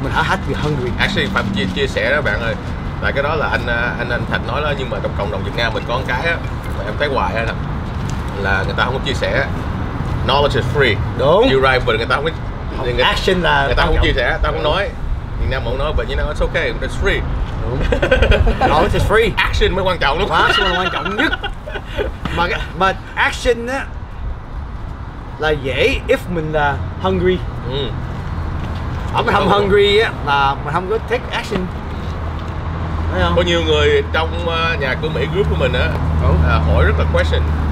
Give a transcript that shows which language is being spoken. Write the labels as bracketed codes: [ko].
[en] Mình have to be hungry. [vi] Actually, phải chia sẻ đó bạn ơi. Tại cái đó là anh Thạch nói đó, nhưng mà trong cộng đồng Việt Nam mình có cái á, em thấy hoài á là người ta không có chia sẻ. [en] Knowledge is free. [vi] Đúng. [en] You're right, but [vi] người ta không có action là người ta không chia sẻ, ta không nói. Việt Nam không nói, [en] but you know it's okay, it's free. Đúng. Knowledge is free. [vi] Action mới quan trọng lắm. Action là quan trọng nhất. Mà action á là dễ if mình là hungry. Ừ. Mình không hungry á là mình không có take action. Thấy không? Có nhiều người trong nhà của Mỹ group của mình á hỏi rất là question.